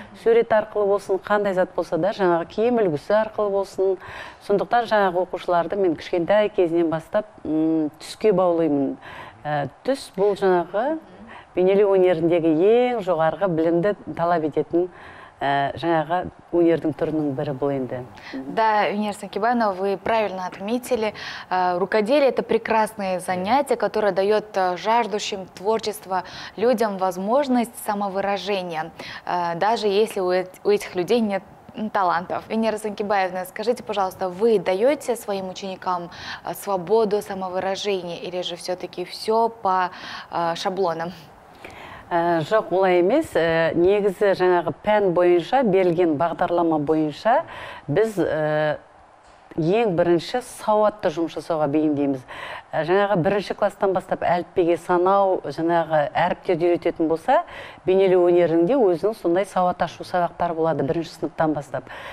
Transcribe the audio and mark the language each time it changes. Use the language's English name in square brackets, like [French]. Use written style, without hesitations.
[Kazakh] Сурет арқылы болсын, қандай зат болса да жаңағы киім үлгісі арқылы болсын. Сондықтан жаңағы оқушыларды мен кішкентай кезінен бастап түске баулаймын. Түс бұл жаңағы бейнелеу өнеріндегі ең жоғарғы білімді талап ететін жаңағы өнердің түрінің бірі бұл енді. [Russian] Да, Венера Санкибаевна, вы правильно отметили. Рукоделие – это прекрасное занятие, которое дает жаждущим творчества людям возможность самовыражения, даже если у этих людей нет талантов. Венера Санкибаевна, скажите, пожалуйста, вы даете своим ученикам свободу самовыражения или же все-таки все по шаблонам? [Kazakh] Жоқ, олай емес. Негізі жаңағы пән бойынша, берілген бағдарлама бойынша, біз ең бірінші сауатты жұмыс жасауға бейімдейміз. Жаңағы бірінші класстан бастап әліппеге санау, жаңағы әріптерді үйрететін болса, бейнелі өнерінде өзінің сондай сауат ашу сабақтары болады бірінші сыныптан бастап.